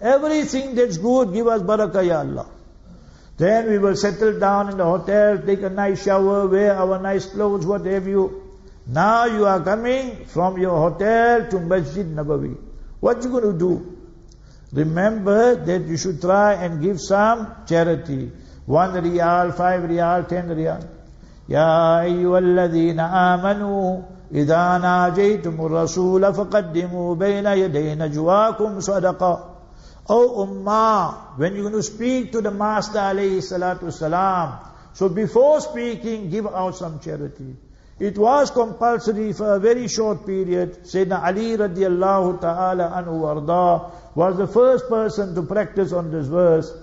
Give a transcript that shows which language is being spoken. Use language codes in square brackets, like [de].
[en] Everything that's good, give us barakah, Ya Allah. Then we will settle down in the hotel, take a nice shower, wear our nice clothes, what have you. Now you are coming from your hotel to Masjid Nabawi. What you going to do? Remember that you should try and give some charity. 1 riyal, 5 riyal, 10 riyal. [ar] Ya ayyuhalladhina amanu, إِذَا نَاجَيْتُمُ الرَّسُولَ فَقَدِّمُوا بَيْنَ يَدَيْنَ جُوَاكُمْ صَدَقًا. [en] O Ummah, when you're going to speak to the Master alayhi salatu salam, so before speaking, give out some charity. It was compulsory for a very short period. Sayyidina Ali radiallahu ta'ala anhu warda was the first person to practice on this verse.